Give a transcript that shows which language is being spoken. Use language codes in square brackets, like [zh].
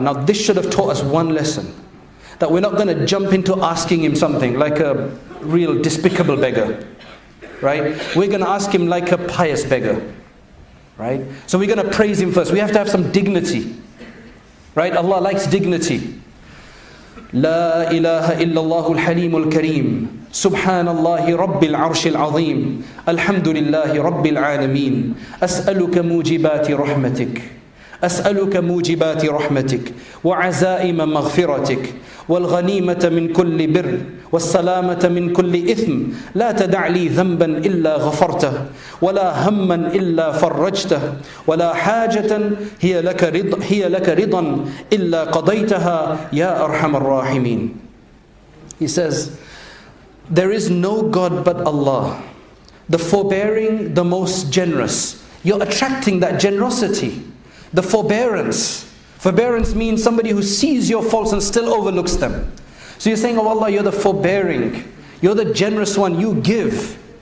[en] Now this should have taught us one lesson. That we're not going to jump into asking him something like a real despicable beggar. right? We're going to ask him like a pious beggar, right? So we're going to praise him first. We have to have some dignity, right? Allah likes dignity. [ar] لا إله إلا الله الحليم الكريم سبحان الله رب العرش العظيم الحمد لله رب العالمين أسألك موجبات رحمتك أسألك موجبات رحمتك وعزائم مغفرتك والغنيمة من كل بر والسلامة من كل إثم لا تدع لي ذنبا إلا غفرته ولا هما إلا فرجته ولا حاجة هي لك رضا إلا قضيتها يا أرحم الراحمين. [en] He says, there is no God but Allah, the forbearing, the most generous. You're attracting that generosity. The forbearance. Forbearance means somebody who sees your faults and still overlooks them. So you're saying, oh Allah, you're the forbearing. You're the generous one. You give.